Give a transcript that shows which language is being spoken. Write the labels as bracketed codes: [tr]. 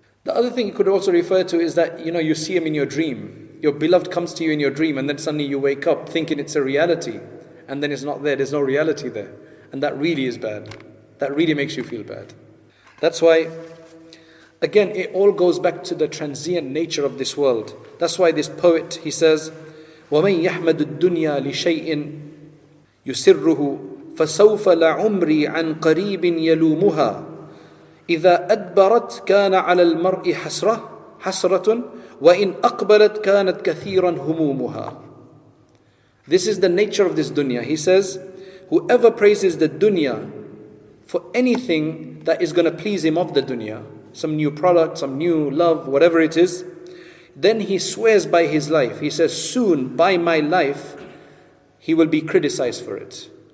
[en] The other thing you could also refer to is that, you know, you see him in your dream. Your beloved comes to you in your dream, and then suddenly you wake up thinking it's a reality, and then it's not there, there's no reality there. And that really is bad. That really makes you feel bad. That's why, again, it all goes back to the transient nature of this world. That's why this poet, he says, [ar] وَمَنْ يَحْمَدُ الدُّنْيَا لِشَيْءٍ يُسِرُّهُ فَسَوْفَ لَعُمْرِي عَنْ قَرِيبٍ يَلُومُهَا إِذَا أَدْبَرَتْ كَانَ عَلَى الْمَرْءِ حَسْرَةٌ وَإِنْ أَقْبَلَتْ كَانَتْ كَثِيرًا هُمُومُهَا. [en] This is the nature of this dunya. He says, whoever praises the dunya for anything that is going to please him of the dunya, some new product, some new love, whatever it is, then he swears by his life. He says, soon, by my life, he will be criticized for it.